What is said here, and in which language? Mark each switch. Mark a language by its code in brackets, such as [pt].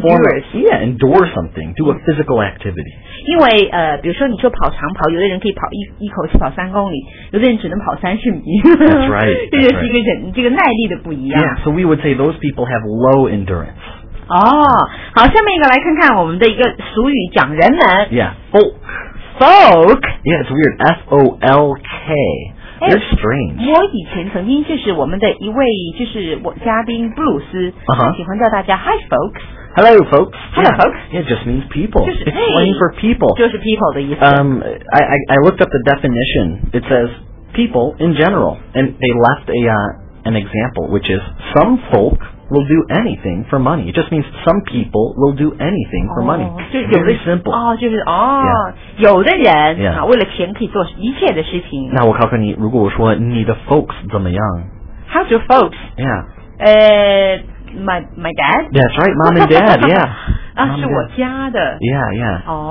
[en] endurance. Yeah, endure something do a physical activity [zh] 因为、比如说你说跑长跑有的人可以跑 一口气跑3公里有的人只能跑30米 [en] That's right. [zh] 这就是一个忍这个耐力的不一样 [en] Yeah, so we would say those people have low endurance [zh] 好，下面一个来看看我们的一个俗语，讲人们。 [en] Yeah, folk. Folk. Yeah, it's weird. F-O-L-K. They're strange. [zh] 我以前曾经就是我们的一位就是我嘉宾布鲁斯， uh-huh. 喜欢叫大家 [en] Hi, folks. Hello, folks. Hello, folks. Yeah, yeah it just means people. [zh] 就是 [en] It's slang for people. [zh] 就是 people 的意思。 [en] I looked up the definition. It says people in general, and they left an example, which is some folk. Will do anything for money. It just means some people will do anything for money. Very simple. [zh] 就是有的人、为了钱可以做一切的事情。那我考考你，如果我说你的 folks 怎么样？ [en] How's your folks? Yeah. My dad. That's right, mom and dad. Yeah. [zh] 是我家的。 [en] Yeah, yeah.